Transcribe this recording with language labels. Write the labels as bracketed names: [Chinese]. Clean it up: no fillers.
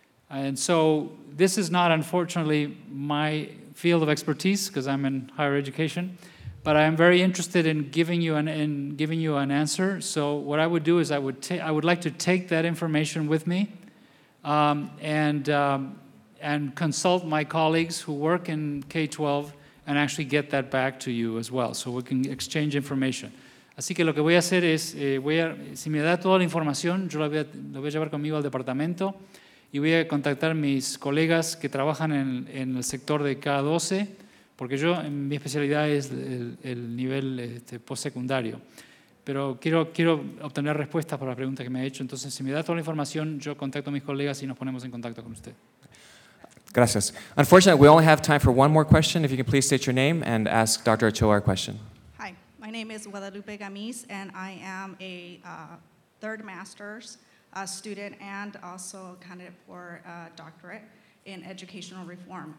[English] And so this is not, unfortunately, my field of expertise because I'm in higher education, but I am very interested in giving you an answer. So what I would do is I would like to take that information with me, and consult my colleagues who work in K-12 and actually get that back to you as well, so we can exchange information. [Spanish] Así que lo que voy a hacer es si me da toda la información, yo la voy a llevar conmigo al departamento. Y voy a contactar mis colegas que trabajan en el sector de K-12, porque yo, mi especialidad es el nivel postsecundario. Pero quiero obtener respuestas para las preguntas que me ha hecho. Entonces, si me da toda la información, yo contacto a mis colegas y nos ponemos en contacto con usted. [English] Gracias. Unfortunately, we only have time for one more question. If you can please state your name and ask Dr. Ochoa our question. Hi, my name is Guadalupe Gamiz, and I am a third master's a student and also a candidate for a doctorate in educational reform.